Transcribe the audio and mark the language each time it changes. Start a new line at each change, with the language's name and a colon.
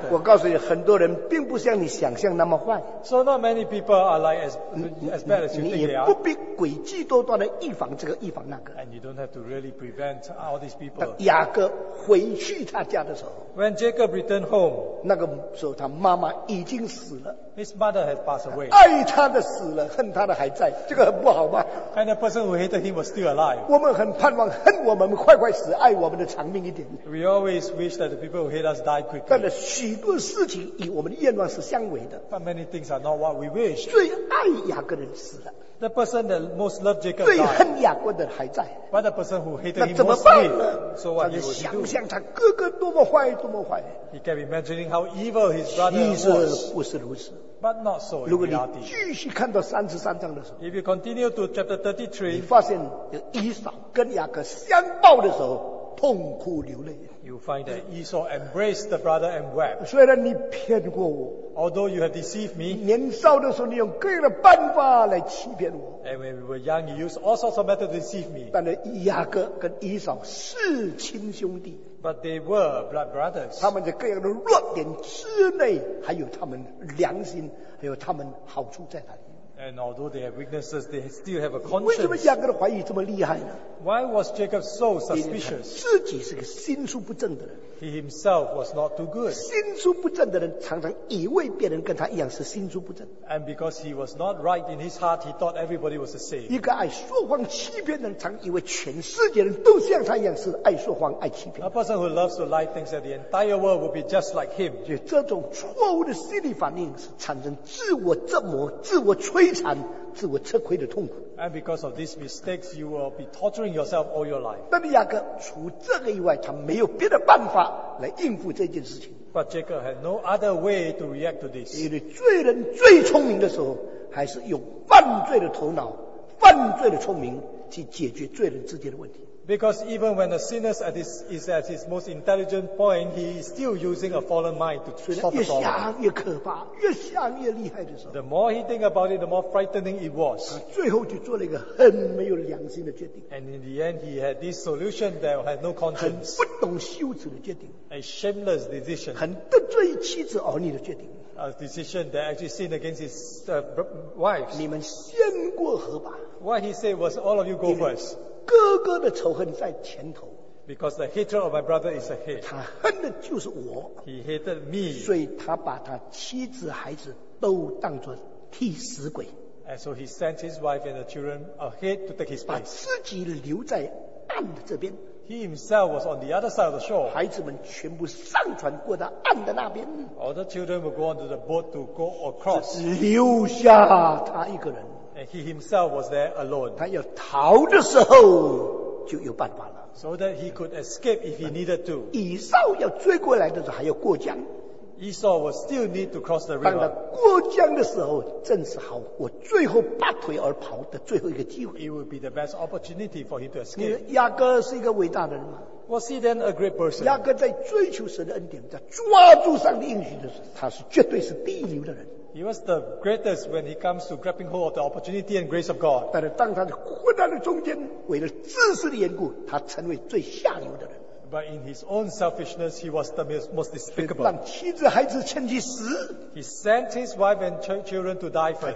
Chinese: 我告诉你，很多人并不像你想象那么坏。
English: So not many people are like as bad as you think they are.
Chinese: 你也不必诡计多端的预防这个预防那个。
English: And you don't have to really prevent all these people.
Chinese: 雅各回去他家的时候
English: ，When Jacob returned home,
Chinese: 那个时候他妈妈已经死了。
English: His mother had passed away.
Chinese: 爱他的死了，恨他的还在，这个很不好吗
English: ？And the person who hated him was still alive.
Chinese: 我们很盼望恨我们快快死，爱我们的长命一点。
English: We always wish that the people who hate us die quickly.
Chinese: 但是许多事情与我们的愿望是相违的。
English: But many things are not what we wish.
Chinese: 最爱雅各的死了。
English: The person that most loved Jacob died.
Chinese: 最恨雅各的还在。
English: But the person who hated him most hated.
Chinese: 那怎么办呢？
English: So what he would do?
Chinese: 想象他哥哥多么坏，多么坏。
English: He kept imagining how evil his brother was.
Chinese: 其实不是如此。
English: But not so in reality.
Chinese: 如果你继续看到三十三章的时候
English: ，If you continue to chapter 33,
Chinese: 你发现以扫跟雅各相抱的时候。痛哭流泪。
English: You find that Esau embraced the brother and wept.
Chinese: 虽然你骗过我
English: ，although you have deceived me.
Chinese: 年少的时候，你用各样的办法来欺骗我。
English: And when we were young, you used all sorts of methods to deceive me.
Chinese: 但是雅各跟以扫是亲兄弟。
English: But they were blood brothers.
Chinese: 他们的各样的弱点之内，还有他们良心，还有他们好处在哪里？
English: And although they have weaknesses, they still have a conscience.
Chinese: 为什么雅各的怀疑这么厉害呢
English: ？Why was Jacob so suspicious?
Chinese: 自己是个心术不正的人。
English: He himself was not too good.
Chinese: 心术不正的人常常以为别人跟他一样是心术不正。
English: And because he was not right in his heart, he thought everybody was the same.
Chinese: 一个爱说谎欺骗的人，常以为全世界人都像他一样是爱说谎爱欺骗。
English: A person who loves to lie thinks that the entire world would be just like him.
Chinese: 就这种错误的心理反应是产生自我折磨、自我摧残、自我吃亏的痛苦。
English: And because of these mistakes, you will be torturing yourself all your life.
Chinese: 但是雅各除这个以外，他没有别的办法来应付这件事情。
English: But Jacob had no other way to react to this.
Chinese: 因为罪人最聪明的时候，还是用犯罪的头脑、犯罪的聪明去解决罪人之间的问题。
English: Because even when a sinner is at his most intelligent point, he is still using a fallen mind to solve the problem.
Chinese: 越想越可怕，越想越厉害的时候。
English: The more he think about it, the more frightening it was.
Chinese: 最后就做了一个很没有良心的决定。
English: And in the end, he had this solution that had no conscience.
Chinese: 很不懂羞耻的决定。
English: A shameless decision.
Chinese: 很得罪妻子儿女的决定。
English: A decision that actually sinned against his wife.
Chinese: 你们先过河吧。
English: What he said was, all of you go first.
Chinese: 哥哥的仇恨在前头。
English: Because the hatred of my brother is ahead.
Chinese: 他恨的就是我。
English: He hated me.
Chinese: 所以他把他妻子孩子都当作替死鬼。
English: And so he sent his wife and the children ahead to take his place.
Chinese: 把自己留在岸的这边。
English: He himself was on the other side of the shore.
Chinese: 孩子们全部上船过到岸的那边。
English: All the children would go onto the boat to go across.
Chinese: 只留下他一个人。
English: And he himself was there alone.
Chinese: 他要逃的时候，就有办法了。
English: So that he could escape if he needed to.
Chinese: 以扫要追过来的时候还要过江。
English: Esau would still need to cross the river.
Chinese: 当他过江的时候，正是好我最后拔腿而跑的最后一个机会。
English: It would be the best opportunity for him to escape.
Chinese: 雅各是一个伟大的人吗？
English: Was he then a great person?
Chinese: 雅各在追求神的恩典，在抓住上帝应许的时候，他是绝对是第一流的人。
English: He was the greatest when he comes to grabbing hold of the opportunity and grace of God.
Chinese: 但是当他在困难的中间，为了知识的缘故，他成为最下流的人。
English: But in his own selfishness, he was the most despicable.
Chinese: 让妻子孩子先去死。
English: He sent his wife and children to die first.